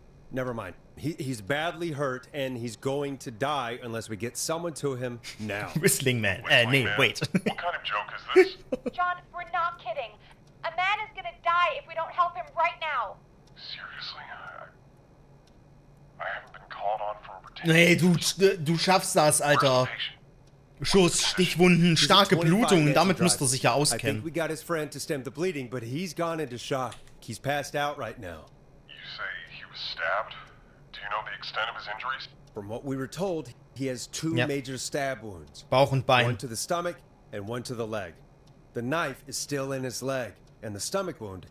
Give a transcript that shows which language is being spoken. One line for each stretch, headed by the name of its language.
English: Never mind. He's badly hurt, and he's going to die unless we get someone to him now. Whistling man. Nee, wait. What kind of joke is this? John, we're not kidding. A man is gonna die if we don't help him right now. Seriously, I haven't been called on for over 10 years.
German: Hey, du schaffst das, Alter. Schuss, Stichwunden, starke Blutung, damit müsste er sich ja auskennen.
English: I think we got his friend to stem the bleeding, but he's gone into shock. He's passed out right now. You say he was stabbed? Do you know the extent of his injuries? From what we were told, he has two major stab wounds.
German: Bauch und Bein.
English: One to the stomach and one to the leg. The knife is still in his leg, and the stomach wound...